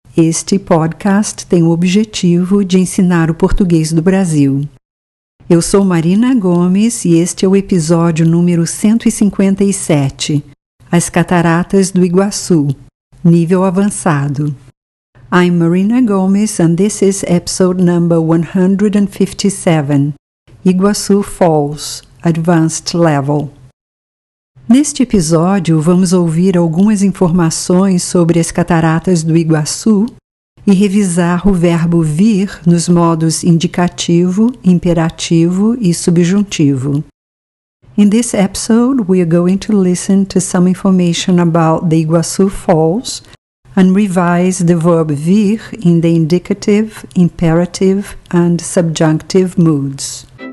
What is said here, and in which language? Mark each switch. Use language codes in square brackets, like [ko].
[pt] Este podcast tem o objetivo de ensinar o português do Brasil. Eu sou Marina Gomes e este é o episódio número 157, As Cataratas do Iguaçu, nível avançado. [en] I'm Marina Gomes and this is episode number 157. Iguaçu Falls, Advanced Level. [pt] Neste episódio, vamos ouvir algumas informações sobre as cataratas do Iguaçu e revisar o verbo vir nos modos indicativo, imperativo e subjuntivo. [en] In this episode, we are going to listen to some information about the Iguaçu Falls and revise the verb vir in the indicative, imperative and subjunctive moods.